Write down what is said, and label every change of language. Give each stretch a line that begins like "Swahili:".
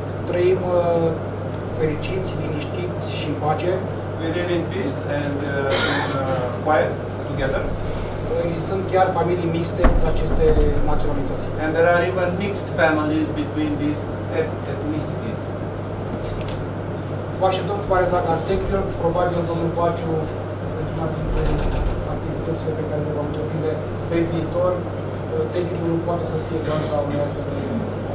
Romanian: Trăim fericiți, liniștiți și în pace.
English: We live in peace and quiet together.
Romanian: Existând chiar familii mixte cu aceste naționalități.
English: And there are even mixed families between these ethnicities.
Romanian: Vă așteptăm cu mare drag la Techirghiol, probabil domnul Baciu, pentru una dintre activitățile pe care le vom întreprinde pe viitor. tehnicul poate să fie doar la un astfel de lucru.